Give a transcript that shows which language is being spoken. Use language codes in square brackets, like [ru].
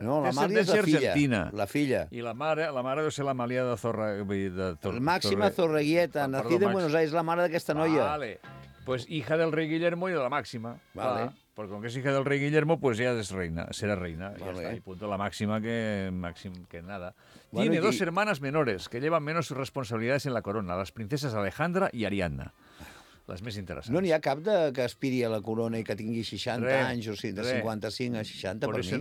[ca] No, l'Amàlia és la filla. La filla. I la mare deu ser l'Amàlia de Zorra... Màxima Zorreguieta, nascida en Buenos Aires, la mare d'aquesta noia. Vale. Pues hija del rei Guillermo i de la Màxima. Vale. Però com que és hija del rei Guillermo, pues ja és reina, serà reina. Vale. Ja està, i punto. [es] La Màxima que nada. Bueno, tiene dos hermanas menores que llevan menos responsabilidades en la corona, las princesas Alejandra y Ariadna. [ca] Les més interessants. No n'hi ha cap que aspiri a la corona i que tingui 60 anys, o sigui, de 55 a 60, per mi.